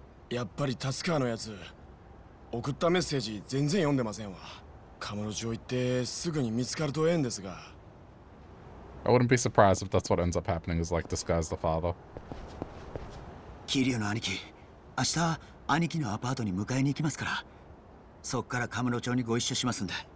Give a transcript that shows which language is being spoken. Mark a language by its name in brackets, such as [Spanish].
[Japanese] やっぱり達川のやつ、送ったメッセージ全然読んでませんわ。カムロ町行ってすぐに見つかるとええんですが。 [English] I wouldn't be surprised if that's what ends up happening, is like this guy's the father. [Japanese] キリュウの兄貴、明日兄貴のアパートに迎えに行きますから、そっからカムロ町にご一緒しますんで。